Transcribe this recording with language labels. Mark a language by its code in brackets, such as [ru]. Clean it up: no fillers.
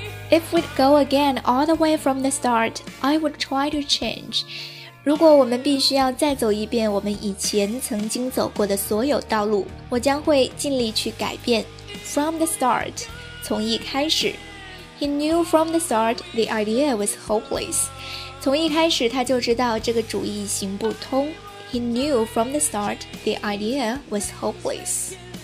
[en] If we'd go again all the way from the start, I would try to change. [zh] 如果我们必须要再走一遍我们以前曾经走过的所有道路，我将会尽力去改变。 [en] From the start, [zh] 从一开始。 [en] He knew from the start the idea was hopeless. [zh] 从一开始他就知道这个主意行不通。 [en] He knew from the start the idea was hopeless.